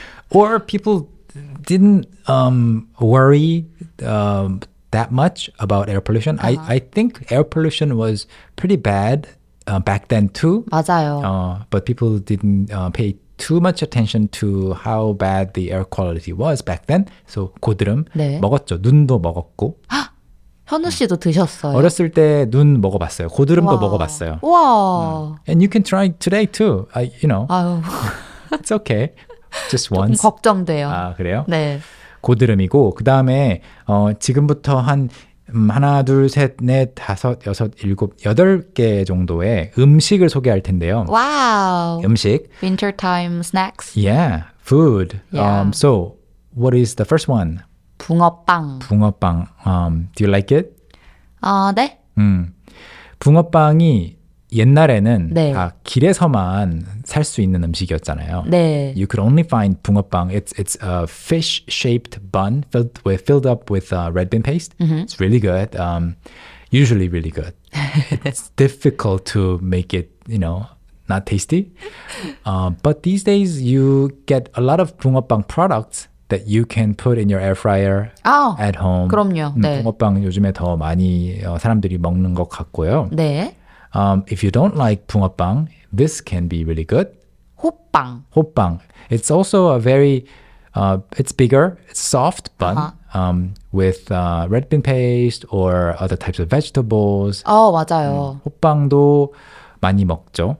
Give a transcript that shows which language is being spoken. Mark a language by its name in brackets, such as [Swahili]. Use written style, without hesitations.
[English] Or people didn't worry that much about air pollution. Uh-huh. I think air pollution was pretty bad back then too. [Korean] 맞아요. [English] But people didn't pay too much attention to how bad the air quality was back then. So 고드름 [Korean] 네. 먹었죠. 눈도 먹었고. 현우 씨도 드셨어요? 어렸을 때 눈 먹어봤어요. 고드름도 와. 먹어봤어요. 와. [English] And you can try today too. You know. [Korean] 아유. [English] It's okay. Just once. [Korean] 좀 걱정돼요. 아 그래요? 네. 고드름이고 그 다음에 지금부터 한 하나, 둘, 셋, 넷, 다섯, 여섯, 일곱, 여덟 개 정도의 음식을 소개할 텐데요. 와우! 음식. [English] Winter time snacks. Yeah, food. Yeah. So, what is the first one? [Korean] 붕어빵. [English] 붕어빵. Do you like it? [Korean] 네. 붕어빵이 옛날에는 네. 다 길에서만 살 수 있는 음식이었잖아요. 네. [English] You could only find 붕어빵. It's a fish-shaped bun filled up with red bean paste. Mm-hmm. It's really good. Usually really good. It's difficult to make it, you know, not tasty. But these days, you get a lot of 붕어빵 products that you can put in your air fryer at home. [Korean] 그럼요. 네. 붕어빵 요즘에 더 많이 사람들이 먹는 것 같고요. 네. [English] If you don't like 붕어빵, this can be really good. [Korean] 호빵. 호빵. [English] It's also a very, it's bigger, it's soft bun uh-huh. With red bean paste or other types of vegetables. [Korean] 맞아요. 호빵도 많이 먹죠.